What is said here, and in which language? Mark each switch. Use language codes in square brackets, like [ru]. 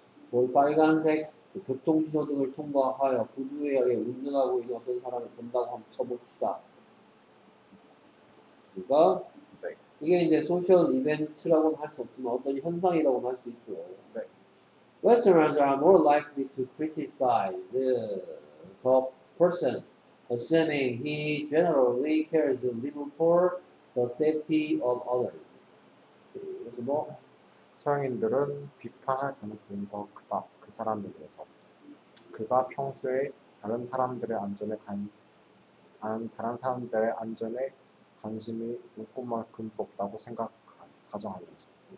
[ko] 뭘 빨간색 교통신호등을 통과하여 부주의하게 운전하고 있는 어떤 사람을 본다고 한번 쳐봅시다. 그러니까 네. 이게 이제 소셜 이벤트라고는 할 수 없지만 어떤 현상이라고는 할 수 있죠. 네. [en] Westerners are more likely to criticize the person assuming he generally cares little for the safety of others. [ko] 그래서 뭐 서양인들은 비판할 가능성이 더 크다. 그 사람에 대해서 그가 평소에 다른 사람들의 안전에 다른 사람들의 안전에 관심이 웬만큼 높다고 생각 가정하는 거죠.